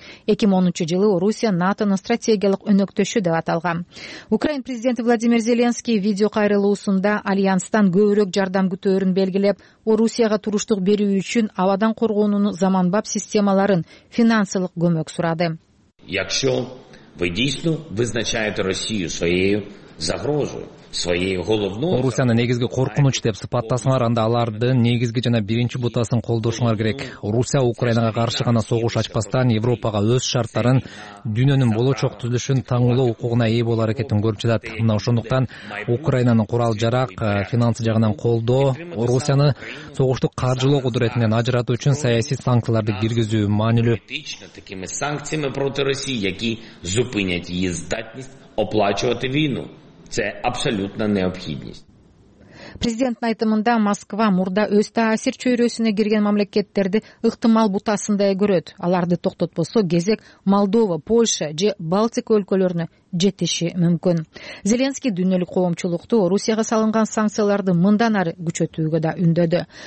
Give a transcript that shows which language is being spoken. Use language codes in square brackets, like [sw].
[ky] 2010-жылы Орусия НАТОнун стратегиялык өнөктөшү деп аталган. Украин президенти Владимир Зеленский видео кайрылуусунда альянстан көбүрөөк жардам күтөөрүн белгилеп, Орусияга туруштук берүү үчүн абадан коргоонунун заманбап системаларын финансылык көмөк сурады. [uk] Якщо ви дійсно визначаєте Росію своєю загрозою, своєю головною, [ky] Орусияны негизги коркунуч деп сыпаттасаңар, анда алардын негизги жана биринчи бутасын колдошуңар керек. Орусия Украинага каршы гана согуш ачпастан Европага өз шарттарын, дүйнөнүн болочок түзүлүшүн таңуулоо укугуна ээ болуу аракетин көрүп жатат. Мына ошондуктан Украинанын курал жарак, финансы жагынан колдоо Орусияны согуштук каржылоо кудуретинен ажыратуу үчүн саясий санкцияларды киргизүү маанилүү. [uk] Такими санкциями проти Росії, які зупинять її здатність оплачувати війну. Це абсолютно необхідність. [ky] Президенттин айтымында Москва мурда өз таасир чөйрөсүнө кирген мамлекеттерди ыктымал бутасындай көрөт. Аларды токтотпосо кезек Молдова, Польша же Балтика өлкөлөрүнө жетиши мүмкүн. Зеленский дүйнөлүк коомчулукту Русияга салынган санкцияларды мындан ары күчөтүүгө да үндөдү.